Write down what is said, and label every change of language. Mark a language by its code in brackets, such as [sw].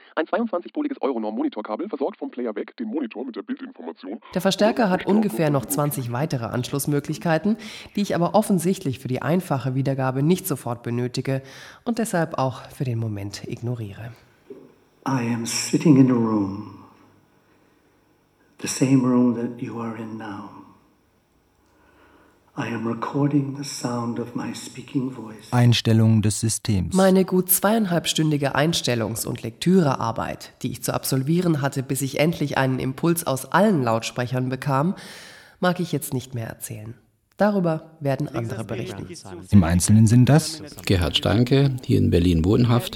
[de] Ein 22-poliges Euronorm-Monitorkabel versorgt vom Player weg den Monitor mit der Bildinformation. Der Verstärker hat ungefähr noch 20 weitere Anschlussmöglichkeiten, die ich aber offensichtlich für die einfache Wiedergabe nicht sofort benötige und deshalb auch für den Moment ignoriere. [en] I am sitting in a room. The same room that you are in now. I am recording the sound of my speaking voice. [de] Einstellung des Systems. Meine gut 2,5-stündige Einstellungs- und Lektürearbeit, die ich zu absolvieren hatte, bis ich endlich einen Impuls aus allen Lautsprechern bekam, mag ich jetzt nicht mehr erzählen. Darüber werden andere berichten. Im Einzelnen sind das Gerhard Steinke, hier in Berlin wohnhaft.